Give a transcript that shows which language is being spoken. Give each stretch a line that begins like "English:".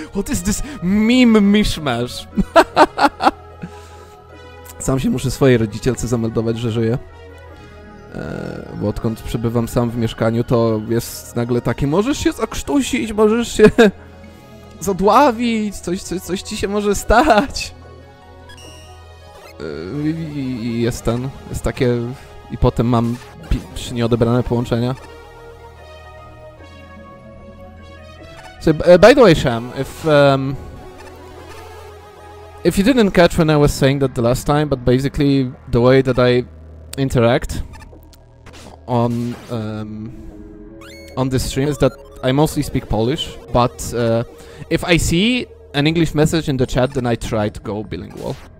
English: What is this meme mishmash?
Polish: Sam się muszę swojej rodzicielce zameldować, że żyję. Bo odkąd przebywam sam w mieszkaniu, to jest nagle takie: możesz się zakrztusić, możesz się zadławić, coś ci się może stać. I jest ten, jest takie, i potem mam trzy nieodebrane połączenia.
English: So, by the way, Sham, if you didn't catch when I was saying that the last time, but basically the way that I interact on this stream is that I mostly speak Polish, but if I see an English message in the chat, then I try to go bilingual.